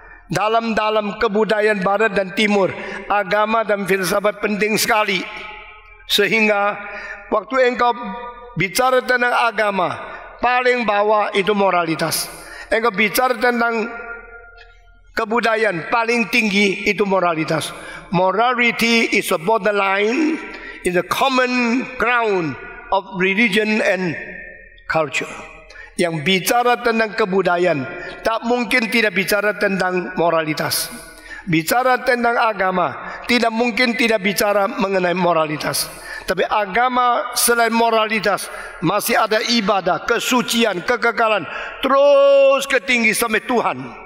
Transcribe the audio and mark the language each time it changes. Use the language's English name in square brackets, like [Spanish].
[Indonesian] Dalam-dalam kebudayaan barat dan timur, agama dan filsafat penting sekali. Sehingga waktu engkau bicara tentang agama, paling bawah itu moralitas. Engkau bicara tentang kebudayaan, paling tinggi itu moralitas. [English] Morality is a borderline in the common ground of religion and culture. [Indonesian] yang bicara tentang kebudayaan tak mungkin tidak bicara tentang moralitas. Bicara tentang agama tidak mungkin tidak bicara mengenai moralitas. Tapi agama selain moralitas masih ada ibadah, kesucian, kekekalan, terus ke tinggi sampai Tuhan.